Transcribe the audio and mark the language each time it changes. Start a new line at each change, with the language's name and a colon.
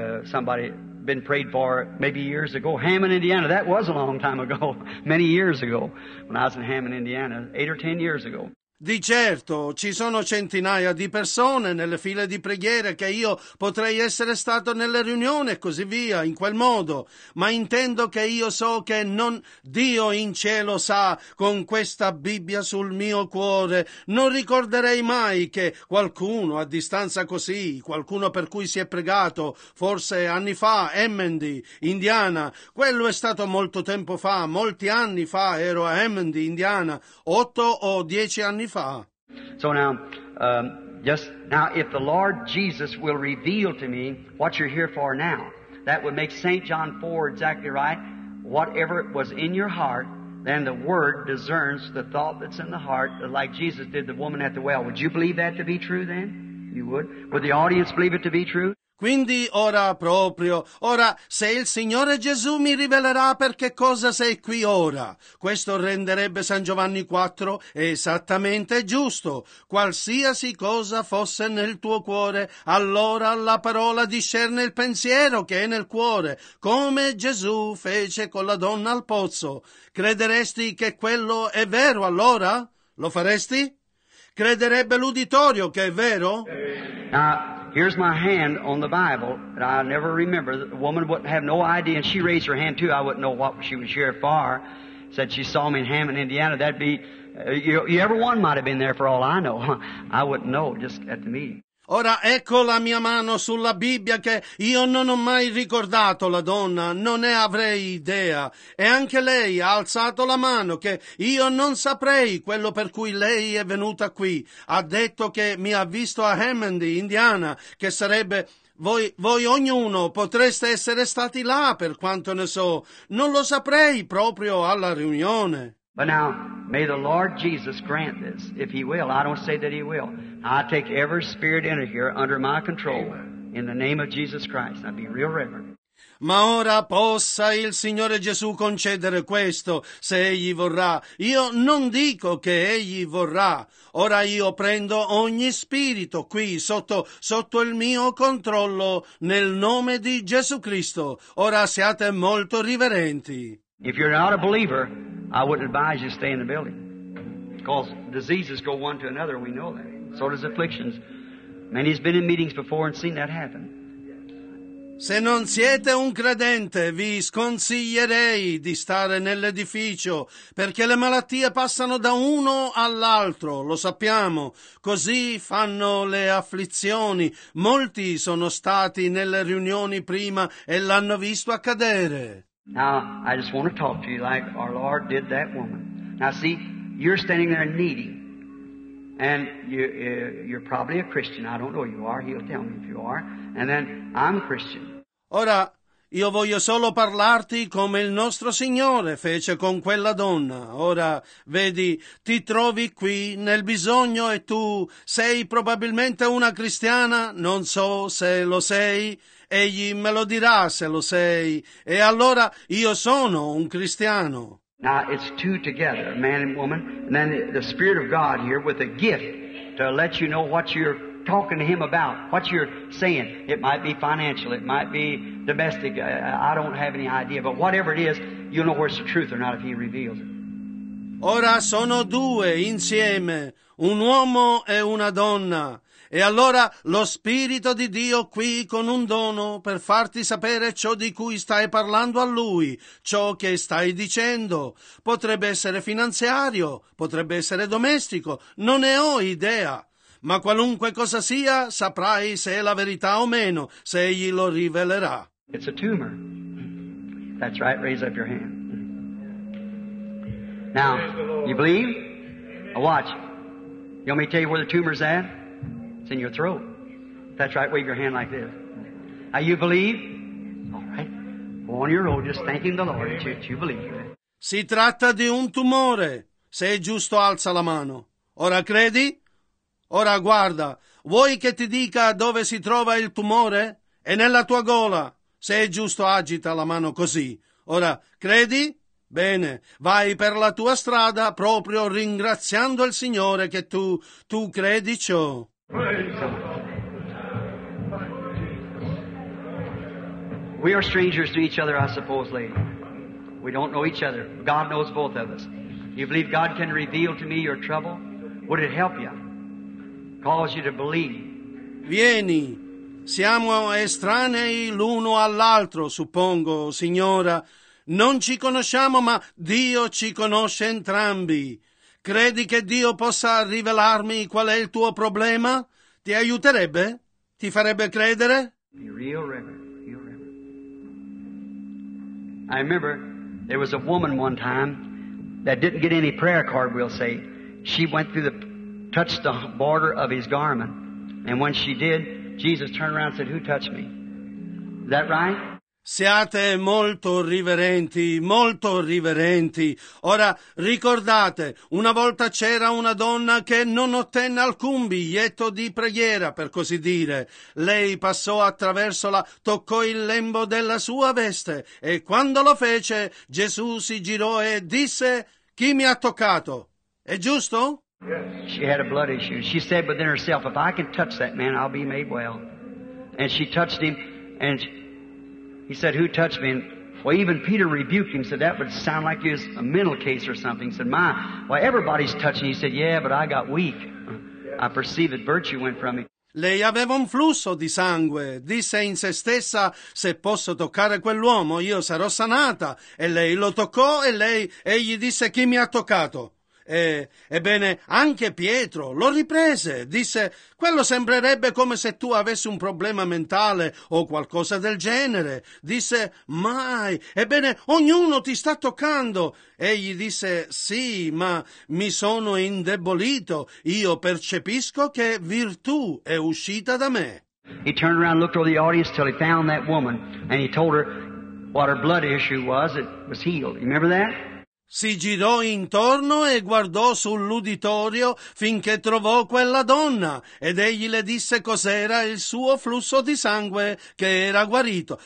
English: Somebody been prayed for maybe years ago. Hammond, Indiana, that was a long time ago, many years ago, when I was in Hammond, Indiana, 8 or 10 years ago.
Italian: Di certo, ci sono centinaia di persone nelle file di preghiera che io potrei essere stato nelle riunioni e così via, in quel modo. Ma intendo che io so che non Dio in cielo sa, con questa Bibbia sul mio cuore, non ricorderei mai che qualcuno a distanza così, qualcuno per cui si è pregato, forse anni fa, Hammond, Indiana, quello è stato molto tempo fa, molti anni fa ero a Hammond, Indiana, 8 o 10 anni fa.
English: So now, just now, if the Lord Jesus will reveal to me what you're here for now, that would make St. John 4 exactly right. Whatever was in your heart, then the Word discerns the thought that's in the heart, like Jesus did the woman at the well. Would you believe that to be true then? You would? Would the audience believe it to be true?
Italian: Quindi ora proprio, ora se il Signore Gesù mi rivelerà per che cosa sei qui ora, questo renderebbe San Giovanni 4 esattamente giusto. Qualsiasi cosa fosse nel tuo cuore, allora la parola discerne il pensiero che è nel cuore, come Gesù fece con la donna al pozzo. Crederesti che quello è vero allora? Lo faresti? Crederebbe l'uditorio che è vero?
English: Here's my hand on the Bible, and I never remember. The woman would have no idea, and she raised her hand too. I wouldn't know what she was here for. Said she saw me in Hammond, Indiana. That'd be You ever one might have been there for all I know. I wouldn't know just at the meeting.
Italian: Ora ecco la mia mano sulla Bibbia che io non ho mai ricordato, la donna, non ne avrei idea. E anche lei ha alzato la mano che io non saprei quello per cui lei è venuta qui. Ha detto che mi ha visto a Hammond, Indiana, che sarebbe... Voi ognuno potreste essere stati là, per quanto ne so. Non lo saprei proprio alla riunione.
English: But now, may the Lord Jesus grant this, if he will. I don't say that he will. I take every spirit in here under my control, in the name of Jesus Christ. I'd be real reverent.
Italian: Ma ora possa il Signore Gesù concedere questo, se Egli vorrà. Io non dico che Egli vorrà. Ora io prendo ogni spirito qui, sotto il mio controllo, nel nome di Gesù Cristo. Ora siate molto riverenti.
English: If you're not a believer, I wouldn't advise you to stay in the building. Because diseases go one to another, we know that. So does afflictions. Many has been in meetings before and seen that happen.
Italian: Se non siete un credente, vi sconsiglierei di stare nell'edificio, perché le malattie passano da uno all'altro, lo sappiamo. Così fanno le afflizioni. Molti sono stati nelle riunioni prima e l'hanno visto accadere.
English: Now, I just want to talk to you like our Lord did that woman. Now, see, you're standing there needy, and you're probably a Christian. I don't know you are. He'll tell me if you are. And then, I'm a Christian.
Italian: Ora, io voglio solo parlarti come il nostro Signore fece con quella donna. Ora, vedi, ti trovi qui nel bisogno e tu sei probabilmente una cristiana, non so se lo sei. Egli me lo dirà se lo sei. E allora io sono un cristiano.
English: Now it's two together, man and woman, and then the Spirit of God here with a gift to let you know what you're talking to him about, what you're saying. It might be financial, it might be domestic, I don't have any idea, but whatever it is, you'll know where it's the truth or not if he reveals it.
Italian: Ora sono due insieme, un uomo e una donna. E allora lo Spirito di Dio qui con un dono per farti sapere ciò di cui stai parlando a Lui, ciò che stai dicendo. Potrebbe essere finanziario, potrebbe essere domestico, non ne ho idea. Ma qualunque cosa sia, saprai se è la verità o meno, se Egli lo rivelerà.
English: It's a tumor. That's right, raise up your hand. Now, you believe? Now watch. You want me to tell you where the tumor's at? It's in your throat. That's right, wave your hand like this. Now you believe? All right. Go on your own, just thanking the Lord that you believe.
Italian: Si tratta di un tumore. Se è giusto, alza la mano. Ora credi? Ora guarda, vuoi che ti dica dove si trova il tumore? È nella tua gola. Se è giusto, agita la mano così. Ora credi? Bene, vai per la tua strada proprio ringraziando il Signore che tu credi ciò.
English: We are strangers to each other, I suppose, lady. We don't know each other. God knows both of us. You believe God can reveal to me your trouble? Would it help you? Cause you to believe?
Italian: Vieni, siamo estranei l'uno all'altro, suppongo, signora. Non ci conosciamo, ma Dio ci conosce entrambi. Credi che Dio possa rivelarmi qual è il tuo problema? Ti aiuterebbe? Ti farebbe credere?
English: Be real reverent, real reverent. I remember there was a woman one time that didn't get any prayer card, we'll say. She went through the, touched the border of his garment. And when she did, Jesus turned around and said, "Who touched me?" Is that right?
Italian: Siate molto riverenti, molto riverenti. Ora, ricordate, una volta c'era una donna che non ottenne alcun biglietto di preghiera, per così dire. Lei passò attraverso la, toccò il lembo della sua veste, e quando lo fece, Gesù si girò e disse, "Chi mi ha toccato?" È giusto?
English: She had a blood issue. She said within herself, "If I can touch that man, I'll be made well." And she touched him, and... He said, "Who touched me?" And, well, even Peter rebuked him, said, "That would sound like you're a mental case or something." He said, "My, well, everybody's touching." He said, "Yeah, but I got weak. I perceive that virtue went from me."
Italian: Lei aveva un flusso di sangue. Disse in se stessa, "Se posso toccare quell'uomo, io sarò sanata." E lei lo toccò e egli disse, "Chi mi ha toccato?" Ebbene, anche Pietro lo riprese, disse: quello sembrerebbe come se tu avessi un problema mentale o qualcosa del genere. Disse: mai. Ebbene, ognuno ti sta toccando. Egli disse: sì, ma mi sono indebolito. Io percepisco che virtù è uscita da me.
English: He turned around, looked over the audience till he found that woman, and he told her what her blood issue was. It was healed. You remember that?
Italian: Si girò intorno e guardò sull'uditorio finché trovò quella donna ed egli le disse cos'era il suo flusso di sangue che era guarito.